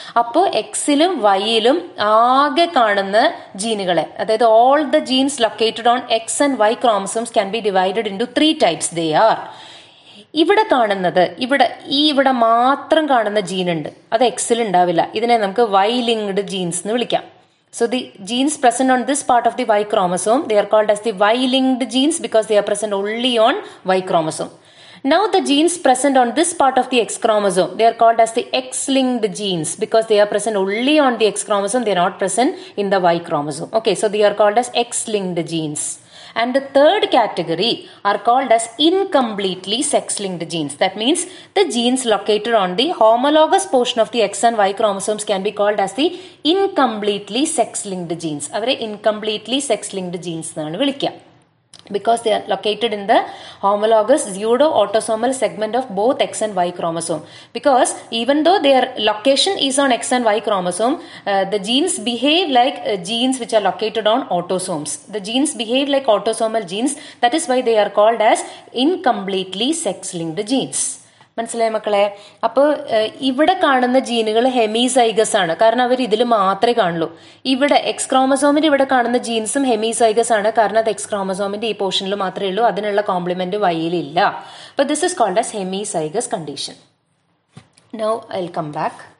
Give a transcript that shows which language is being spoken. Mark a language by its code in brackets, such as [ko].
[ml] അപ്പോ എക്സിലും വൈയിലും ആകെ കാണുന്ന ജീനുകളെ, അതായത് [en] All the genes located on X and Y chromosomes can be divided into three types. [ml] They are ഇവിടെ കാണുന്നത്, ഇവിടെ ഈ ഇവിടെ മാത്രം കാണുന്ന ജീനുണ്ട്, അത് എക്സിൽ ഉണ്ടാവില്ല. ഇതിനെ നമുക്ക് വൈ ലിങ്ക്ഡ് ജീൻസ് എന്ന് വിളിക്കാം. [en] So the genes present on this part of the Y chromosome, they are called as the Y-linked genes because they are present only on Y chromosome. Now the genes present on this part of the X chromosome, they are called as the X-linked genes because they are present only on the X chromosome, they are not present in the Y chromosome. Okay, so they are called as X-linked genes. And the third category are called as incompletely sex-linked genes. That means the genes located on the homologous portion of the X and Y chromosomes can be called as the incompletely sex-linked genes. [ml] Avare [en] incompletely sex-linked genes [ml] nanu vilikkya. [en] because they are located in the homologous pseudo-autosomal segment of both X and Y chromosome. Because even though their location is on X and Y chromosome, the genes behave like genes which are located on autosomes. The genes behave like autosomal genes. That is why they are called as incompletely sex-linked genes. [ml] മനസ്സിലായ മക്കളെ? അപ്പോൾ ഇവിടെ കാണുന്ന ജീനുകൾ ഹെമിസൈഗസ് ആണ്, കാരണം അവർ ഇതിൽ മാത്രമേ കാണുള്ളൂ. ഇവിടെ എക്സ് ക്രോമസോമിൻ്റെ ഇവിടെ കാണുന്ന ജീൻസും ഹെമിസൈഗസ് ആണ്, കാരണം അത് എക്സ് ക്രോമസോമിൻ്റെ ഈ പോർഷനിൽ മാത്രമേ ഉള്ളൂ, അതിനുള്ള കോംപ്ലിമെന്റ് വൈയിലില്ല. [en] അപ്പൊ this is called as hemizygous condition. Now I come back.